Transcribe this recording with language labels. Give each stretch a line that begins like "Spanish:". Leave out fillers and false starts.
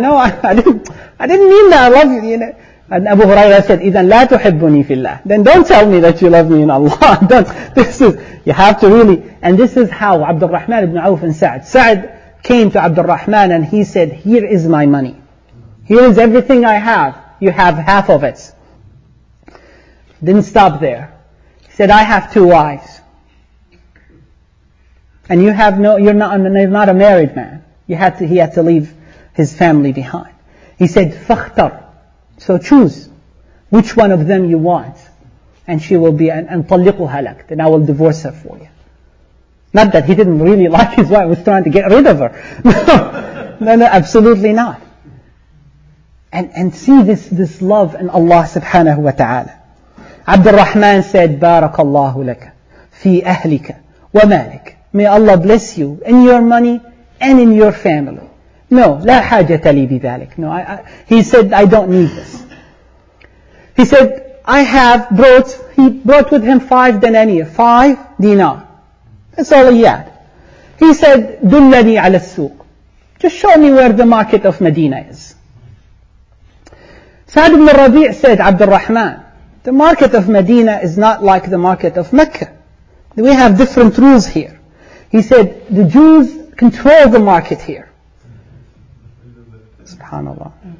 English: No, I didn't mean that, I love you, you know. And Abu Huraira said,
Arabic: إِذَا لَا تُحِبُّنِي فِي اللَّهِ.
English: Then don't tell me that you love me in Allah. Don't. This is, you have to really. And this is how Abd al-Rahman ibn Auf and Sa'd. Sa'd came to Abd al-Rahman and he said, here is my money. Here is everything I have. You have half of it. Didn't stop there. He said, I have two wives. And you have no, you're not a married man. He had to leave his family behind. He said,
Arabic: فَخْتَرْ.
English: So choose which one of them you want. And she will be, and
Arabic: طَلِّقُهَا لَكْ.
English: Then I will divorce her for you. Not that he didn't really like his wife, he was trying to get rid of her. No, absolutely not. And see this love in Allah subhanahu wa ta'ala. Abd al-Rahman said,
Arabic: بَارَكَ اللَّهُ لَكَ فِي أَهْلِكَ وَمَالِكَ.
English: May Allah bless you in your money and in your family. No,
Arabic: لا حاجة لي بذلك.
English: No, he said, I don't need this. He said, he brought with him 5 dinar. That's all he had. He said,
Arabic: دلني على السوق.
English: Just show me where the market of Medina is. Sa'd ibn al-Rabi' said, عبد الرحمن, the market of Medina is not like the market of Mecca. We have different rules here. He said, the Jews control the market here. SubhanAllah.